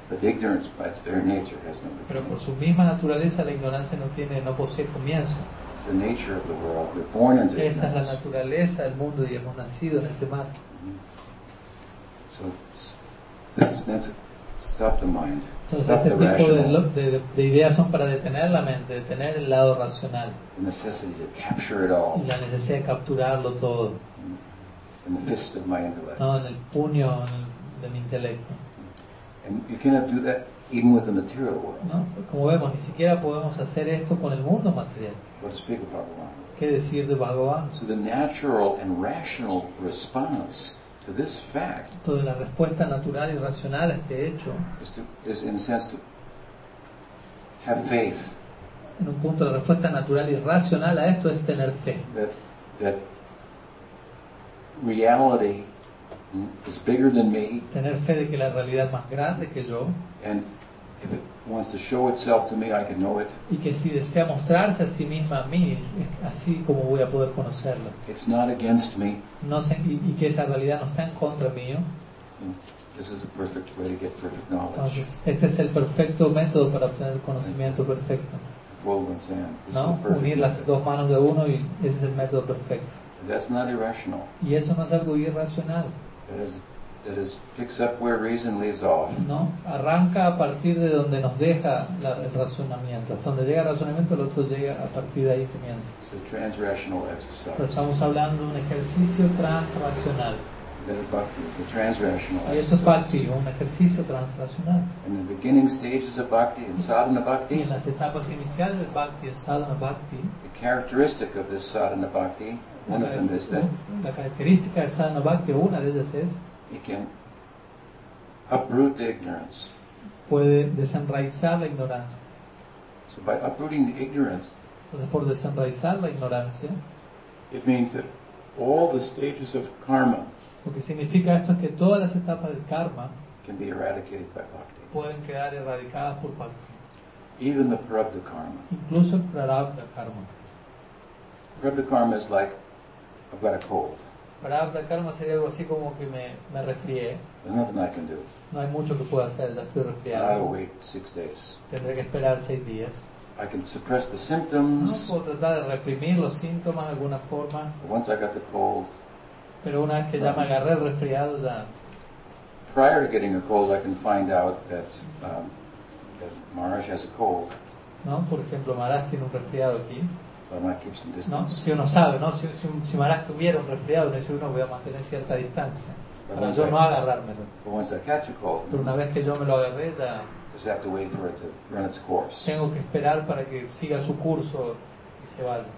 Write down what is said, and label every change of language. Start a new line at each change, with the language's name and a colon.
English: But ignorance, by its very nature, has no beginning.
Spanish: Pero por su misma naturaleza, la ignorancia no posee comienzo.
English: It's the nature of the world. We're born into ignorance.
Spanish: Esa es la naturaleza del mundo y hemos nacido en ese mar.
English: So, this is meant to stop the mind.
Spanish: Entonces,
English: stop
Spanish: este
English: the
Spanish: tipo
English: rational.
Spanish: De ideas son para detener la mente, detener el lado racional.
English: The necessity to capture it all.
Spanish: La necesidad de capturarlo todo.
English: In the fist of my intellect.
Spanish: No, en el puño de mi intelecto.
English: And you cannot do that even with the material world.
Spanish: No, como vemos, ni siquiera podemos hacer esto con el mundo material.
English: What to speak of Bhagavan?
Spanish: ¿Qué decir de Bhagavan?
English: So the natural and rational response to this fact.
Spanish: Toda la respuesta natural y racional a este hecho.
English: Is in a sense to have faith.
Spanish: En un punto, la respuesta natural y racional a esto es tener fe.
English: That reality is bigger than me.
Spanish: Tener fe de que la realidad es más grande que yo.
English: And if it wants to show itself to me, I can know it.
Spanish: Y que si desea mostrarse a sí misma a mí, así como voy a poder conocerlo.
English: It's not against me.
Spanish: No sé, y que esa realidad no está en contra mío.
English: This is the perfect way to get perfect knowledge.
Spanish: Entonces, este es el perfecto método para obtener el conocimiento perfecto.
English: Fold one's hands.
Spanish: No, unir las dos manos de uno y ese es el método perfecto.
English: That's not irrational.
Spanish: Y eso no es algo irracional.
English: That is that is picks up where reason leaves off.
Spanish: No, arranca a partir de donde nos deja la, el razonamiento. Hasta donde llega el razonamiento, el otro llega a partir de ahí comienza.
English: It's a transrational exercise.
Spanish: Entonces estamos hablando de un ejercicio transracional.
English: That is bhakti, it's a transrational
Spanish: exercise. Y eso es bhakti, un ejercicio transracional.
English: In the beginning stages of bhakti, in sadhana bhakti.
Spanish: Y en las etapas iniciales del bhakti, en sadhana bhakti.
English: The characteristic of this sadhana bhakti. One of them is that.
Spanish: La característica de sadhana bhakti, una de ellas es.
English: It can uproot the ignorance.
Spanish: Puede desenraizar la ignorancia.
English: So by uprooting the ignorance.
Spanish: Entonces por desenraizar la ignorancia.
English: It means that all the stages of karma.
Spanish: Lo que significa esto es que todas las etapas del karma
English: can be eradicated by bhakti.
Spanish: Pueden quedar erradicadas por bhakti.
English: Even the prarabdha karma.
Spanish: Incluso el prarabdha karma.
English: Prarabdha karma is like I've got a cold.
Spanish: Prarabdha karma sería algo así como que me resfrié.
English: There's nothing I can do.
Spanish: No hay mucho que pueda hacer, ya estoy resfriado.
English: I'll wait 6 days.
Spanish: Tendré que esperar 6 días.
English: I can suppress the symptoms.
Spanish: No puedo tratar de reprimir los síntomas de alguna forma.
English: But once I got the cold.
Spanish: Pero una vez que ya me agarré el resfriado ya.
English: Prior to getting a cold, I can find out that that Maharaj has a cold.
Spanish: No, por ejemplo, Maharaj tiene un resfriado aquí.
English: So I might keep some distance.
Spanish: No, si uno sabe, no, si Maharaj tuviera un resfriado, entonces uno voy a mantener cierta distancia para yo no agarrármelo.
English: But once I catch a cold.
Spanish: Pero una vez que yo me lo agarré ya.
English: Just have to wait for it to run its course.
Spanish: Tengo que esperar para que siga su curso y se vaya.